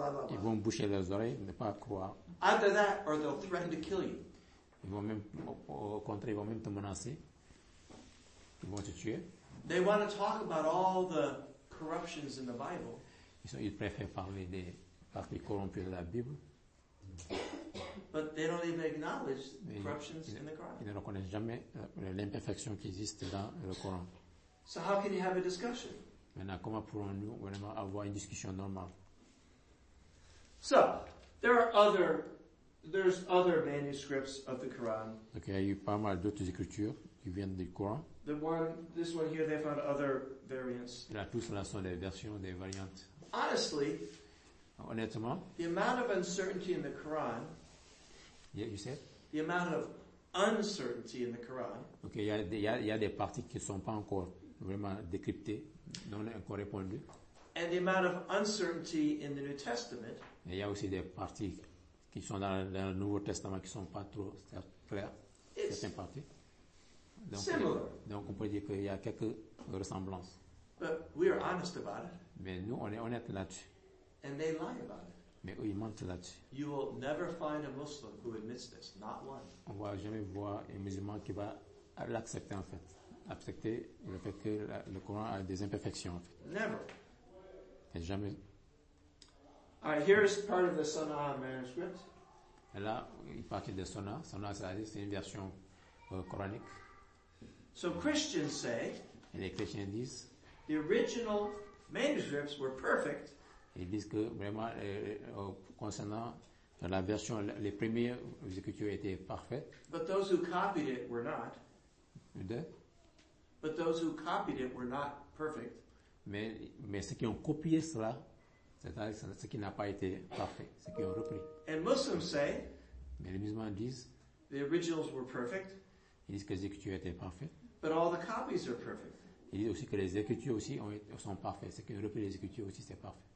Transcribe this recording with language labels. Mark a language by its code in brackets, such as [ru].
[fr] Ils vont boucher leurs oreilles, ne pas croire. [en] Either that or they'll threaten to kill you. [fr] Ils vont même, au contraire, ils vont même te menacer. Ils vont te tuer. [en] They want to talk about all the corruptions in the Bible. [fr] Ils préfèrent parler des parties corrompues de la Bible. [en] But they don't even acknowledge the corruptions in the Quran. [fr] Ils ne reconnaissent jamais l'imperfection qui existe dans le Coran. [en] So how can you have a discussion? [fr] Maintenant, comment pourrons-nous vraiment avoir une discussion normale? [en] So, there are other, there's other manuscripts of the Quran. [fr] Donc, il y a eu pas mal d'autres écritures qui viennent du Coran. [en] The one, this one here, they found other variants. [fr] Là, tous là sont des versions, des variantes. [en] Honestly, [fr] honnêtement, [en] the amount of uncertainty in the Quran. Yeah, you said. The amount of uncertainty in the Quran. [fr] Okay, il y a des parties qui sont pas encore vraiment décryptées, non encore répondues. [en] And the amount of uncertainty in the New Testament. [fr] Et il y a aussi des parties qui sont dans le Nouveau Testament qui sont pas trop claires. Certaines parties. Donc, similar. Donc on peut dire qu'il y a quelques ressemblances. [en] But we are honest about it. [fr] Mais nous, on est honnête là-dessus. [en] And they lie about it. [fr] Mais eux, ils mentent là-dessus. [en] You will never find a Muslim who admits this, not one. [fr] On ne va jamais voir un musulman qui va l'accepter, en fait. Accepter le fait que le Coran a des imperfections, en fait. [en] Never. [fr] Et jamais. [en] All right, here's part of the Sana'a manuscript. [fr] Et là, il parle de Sana'a. Sana'a, c'est une version coranique. [en] So Christians say, [fr] et les chrétiens disent, [en] the original manuscripts were perfect. [fr] Ils disent que vraiment concernant la version, les premières écritures étaient parfaites. [en] But those who copied it were not. [fr] De? [en] But those who copied it were not perfect. [fr] Mais ceux qui ont copié cela, c'est-à-dire ce qui n'a pas été parfait, ceux qui ont repris. [en] And Muslims say. [fr] Mais les musulmans disent. [en] The originals were perfect. [fr] Ils disent que les écritures étaient parfaites. [en] But all the copies are perfect. [fr] Il dit aussi que les écritures aussi sont parfaites. Ce qui est repris les écritures aussi, c'est parfait.